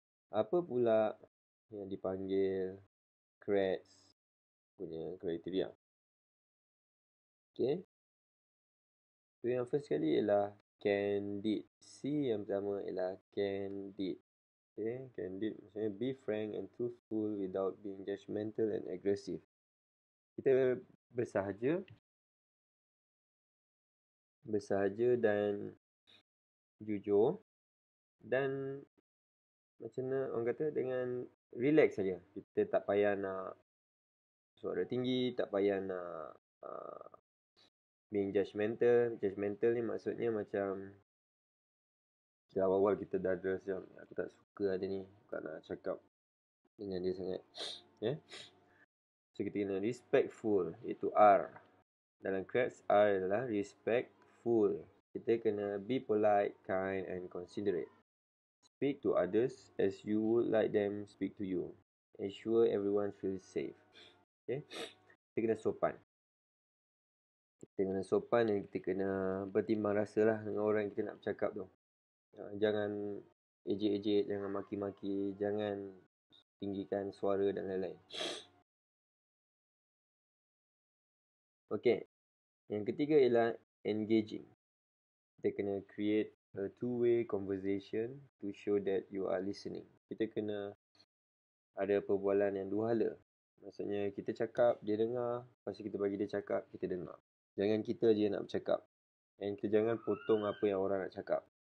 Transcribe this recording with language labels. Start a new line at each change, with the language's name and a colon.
Malay: Apa pula yang dipanggil CREDS punya kriteria?
English: Okay.
Malay: So yang first sekali ialah candid. C yang pertama ialah candid.
English: Okay, candid
Malay: maksudnya
English: be frank and truthful without being judgmental and aggressive.
Malay: Kita bersahaja dan jujur, dan macam mana orang kata, dengan relax saja. Kita tak payah nak suara tinggi, tak payah nak being judgmental. Judgmental ni maksudnya macam dari awal-awal kita dah address yang aku tak suka ada ni, bukan nak cakap dengan dia sangat. Yeah. So kita kena respectful, iaitu R. Dalam CREDS, R adalah respectful.
English: Kita kena be polite, kind and considerate. Speak to others as you would like them speak to you. Ensure everyone feels safe. Okay.
Malay: Kita kena sopan. Kita kena sopan dan kita kena bertimbang rasa lah dengan orang yang kita nak bercakap tu. Jangan ejek-ejek, jangan maki-maki, jangan tinggikan suara dan lain-lain.
English: Okay.
Malay: Yang ketiga ialah engaging. Kita kena
English: create a two-way conversation to show that you are listening.
Malay: Kita kena ada perbualan yang dua hala. Maksudnya kita cakap, dia dengar. Lepas kita bagi dia cakap, kita dengar. Jangan kita je nak bercakap. And kita jangan potong apa yang orang nak cakap.